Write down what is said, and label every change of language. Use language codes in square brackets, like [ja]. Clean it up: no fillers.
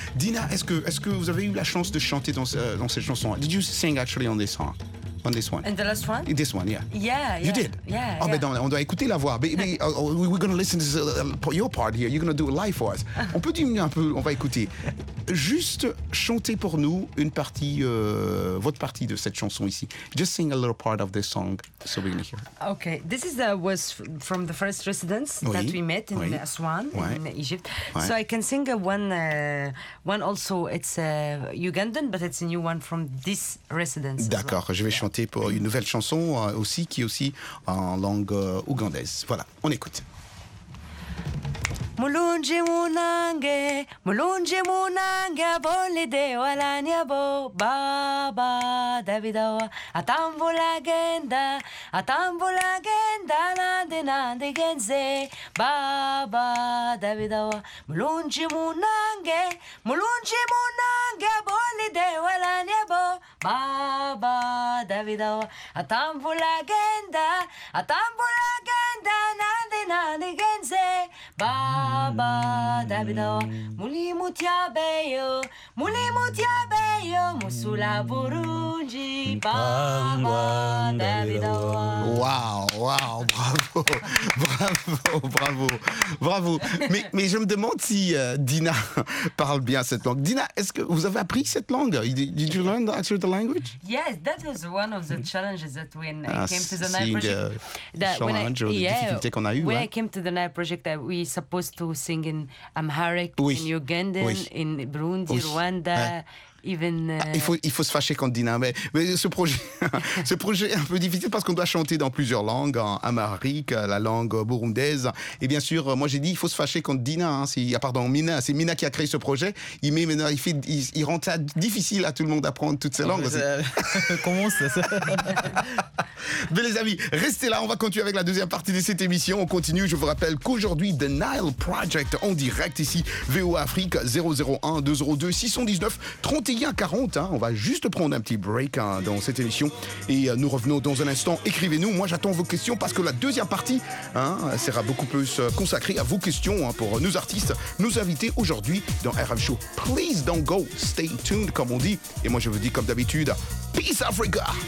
[fr] Dina, est-ce que vous avez eu la chance de chanter dans cette chanson? [en] Did you sing actually on this song? On this one. And the last one? This one, yeah. Yeah, yeah. You did? Yeah, yeah. [fr] Oh, mais non, on doit écouter la voix. [en] We're going to listen to your part here. You're going to do it live for us. [fr] On peut diminuer un peu, on va écouter. Juste chanter pour nous une partie, votre partie de cette chanson ici. [en] Just sing a little part of this song so we can hear. Okay, this is was from the first residence that we met in Aswan, in Egypt. [fr] Ouais. [en] So I can sing one also, it's a Ugandan, but it's a new one from this residence. [fr] D'accord, je vais chanter pour une nouvelle chanson aussi, qui est aussi en langue ougandaise. Voilà, on écoute. [lg] Mulunje munange, mulunje munange, aboli de walani abo, baba davidawa, atambula genda, nande nande genze, baba davidawa, mulunje munange, aboli de walani abo, baba davidawa, atambula genda, nande nande genze, baba. Baba Davido, muli mutia beyo, musula burunji, Baba Davido. Wow, bravo. [fr] Mais je me demande si Dina parle bien cette langue. Dina, est-ce que vous avez appris cette langue? [en] Did you learn actually the language? Yes, that was one of the challenges that when I came to the Nile [fr] Project. Difficulté qu'on a eu. [en] When I came to the Nile Project, that we supposed to sing in Amharic, in Ugandan, in Burundi, Rwanda. [fr] Il faut se fâcher contre Dina, mais ce projet est un peu difficile parce qu'on doit chanter dans plusieurs langues, en amharique, la langue burundaise. Et bien sûr, moi j'ai dit, il faut se fâcher contre Dina, Mina, c'est Mina qui a créé ce projet. Il rend ça difficile à tout le monde d'apprendre toutes ces langues. Comment ça? Mais les amis, restez là, on va continuer avec la deuxième partie de cette émission. On continue, je vous rappelle qu'aujourd'hui, The Nile Project en direct ici, VO Afrique, 001-202-619-31-40. Hein. On va juste prendre un petit break dans cette émission et nous revenons dans un instant. Écrivez-nous, moi j'attends vos questions parce que la deuxième partie sera beaucoup plus consacrée à vos questions pour nos artistes, nos invités aujourd'hui dans RM Show. [en] Please don't go, stay tuned [fr] comme on dit. Et moi je vous dis comme d'habitude, [en] Peace Africa!